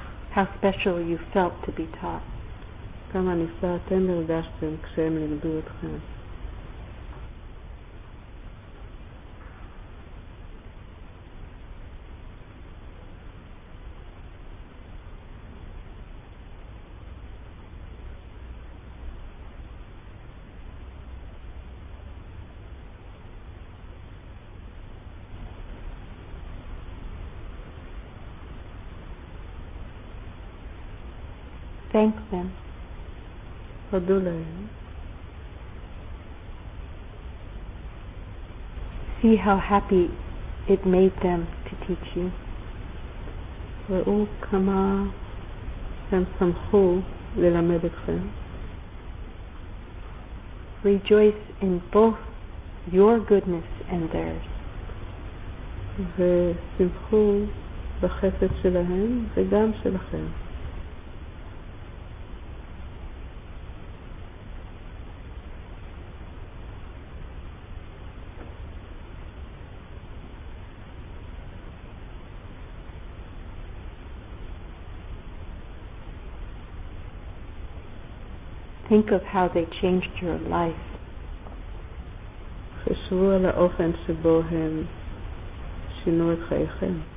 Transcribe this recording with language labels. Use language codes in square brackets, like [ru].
[en] How special you felt to be taught. [he] כמה נפלא אתם הרגשתם כשהם לימדו אתכם. [en] Thank them. See how happy it made them to teach you. [he] ראו כמה הם שמחו ללמד אתכם. [en] Rejoice in both your goodness and theirs. [he] ושמחו בחסד שלהם וגם שלכם. [en] Think of how they changed your life. [he] חשבו על האופן שבו הם שינו את חייכם.